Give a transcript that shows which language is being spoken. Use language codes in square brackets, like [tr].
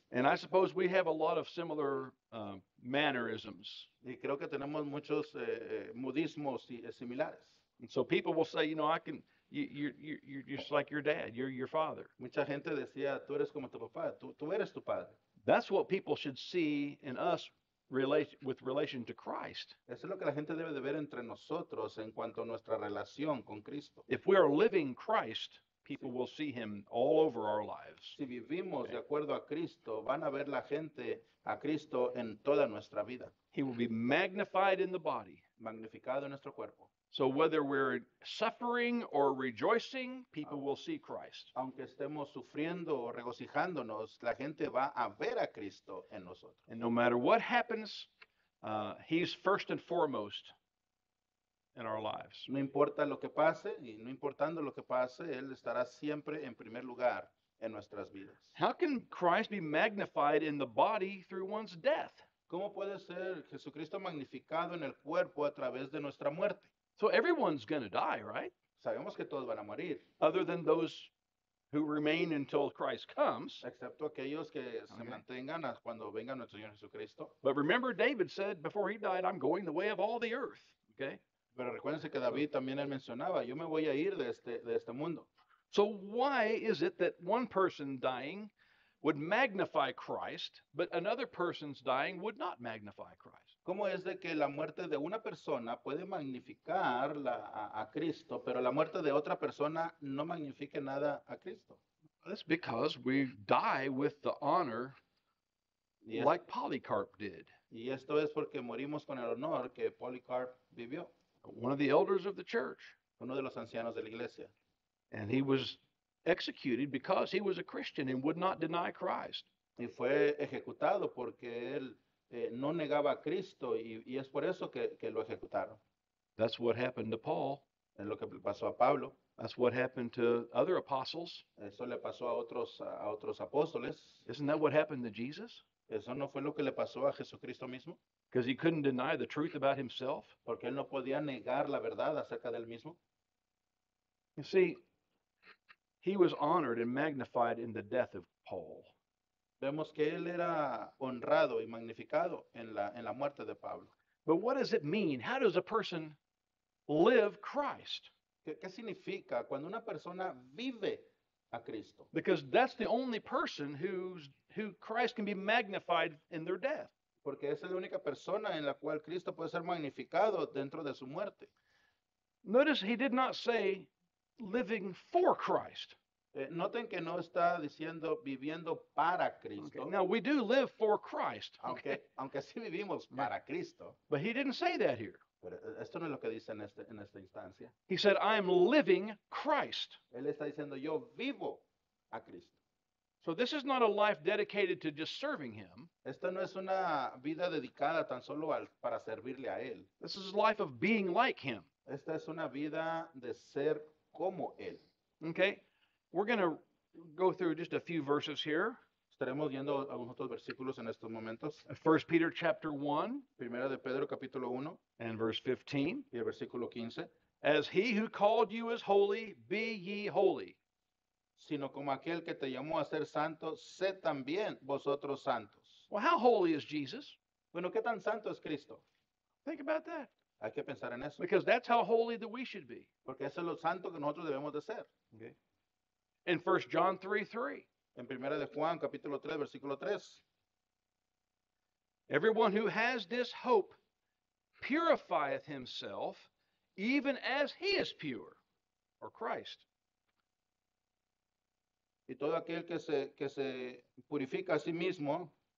[en] And I suppose we have a lot of similar mannerisms. [es] Y creo que tenemos muchos modismos similares. [en] And so people will say, you know, I can, you're just like your dad, you're your father. [es] Mucha gente decía, tú eres como tu papá, tú eres tu padre. [en] That's what people should see in us. With relation to Christ. [es] Eso es lo que la gente debe de ver entre nosotros en cuanto a nuestra relación con Cristo. [en] If we are living Christ, people will see him all over our lives. [es] Si vivimos de acuerdo a Cristo, van a ver la gente a Cristo en toda nuestra vida. [en] He will be magnified in the body. [es] Magnificado en nuestro cuerpo. [en] So whether we're suffering or rejoicing, people will see Christ. [es] Aunque estemos sufriendo o regocijándonos, la gente va a ver a Cristo en nosotros. [en] And no matter what happens, he's first and foremost in our lives. [es] No importa lo que pase, y no importando lo que pase, él estará siempre en primer lugar en nuestras vidas. [en] How can Christ be magnified in the body through one's death? [es] ¿Cómo puede ser Jesucristo magnificado en el cuerpo a través de nuestra muerte? [en] So everyone's going to die, right? [es] Sabemos que todos van a morir. [en] Other than those who remain until Christ comes. [es] Excepto aquellos que se mantengan cuando venga nuestro Señor Jesucristo. [en] But remember, David said before he died, I'm going the way of all the earth. Okay? [es] Pero recuérdense que David también él mencionaba, yo me voy a ir de este mundo. [en] So why is it that one person dying would magnify Christ, but another person's dying would not magnify Christ? [es] ¿Cómo es de que la muerte de una persona puede magnificar a Cristo, pero la muerte de otra persona no magnifique nada a Cristo? [en] That's because we die with the honor like Polycarp did. [es] Y esto es porque morimos con el honor que Polycarp vivió. [en] One of the elders of the church. [es] Uno de los ancianos de la iglesia. [en] And he was executed because he was a Christian and would not deny Christ. [es] Y fue ejecutado porque él no negaba a Cristo, y es por eso que lo ejecutaron. [en] That's what happened to Paul. [es] Es lo que pasó a Pablo. [en] That's what happened to other apostles. [es] Eso le pasó a otros apóstoles. [en] Isn't that what happened to Jesus? [es] Eso no fue lo que le pasó a Jesucristo mismo. [en] Because he couldn't deny the truth about himself. [es] Porque él no podía negar la verdad acerca del mismo. [en] You see, he was honored and magnified in the death of Paul. [es] Vemos que él era honrado y magnificado en la muerte de Pablo. [en] But what does it mean? How does a person live Christ? [es] ¿Qué significa cuando una persona vive a Cristo? [en] Because that's the only person who Christ can be magnified in their death. [es] Porque esa es la única persona en la cual Cristo puede ser magnificado dentro de su muerte. [en] Notice he did not say living for Christ. [es] Noten que no está diciendo viviendo para Cristo. [en] Okay. Now we do live for Christ. [es] Aunque sí vivimos para Cristo. [en] But he didn't say that here. [es] Pero esto no es lo que dice en esta instancia. [en] He said, I am living Christ. [es] Él está diciendo, yo vivo a Cristo. [en] So this is not a life dedicated to just serving him. [es] Esta no es una vida dedicada tan solo para servirle a él. [en] This is a life of being like him. [es] Esta es una vida de ser como él. [en] Okay? We're going to go through just a few verses here. [es] Estaremos viendo algunos otros versículos en estos momentos. [en] 1 Peter chapter 1, [es] Primera de Pedro capítulo 1, [en] and verse 15, [es] y el versículo 15. [en] As he who called you is holy, be ye holy. [es] Sino como aquel que te llamó a ser santo, sé también vosotros santos. [en] Well, how holy is Jesus? [es] Bueno, ¿qué tan santo es Cristo? [en] Think about that. [es] Hay que pensar en eso. [en] Because that's how holy that we should be. [es] Porque eso es lo santo que nosotros debemos de ser. [en] Okay. In 1 John 3, 3. [es] En Primera de Juan, capítulo 3, versículo 3. [en] Everyone who has this hope purifieth himself, even as he is pure, or Christ. [es] Y todo aquel que se purifica a sí mismo.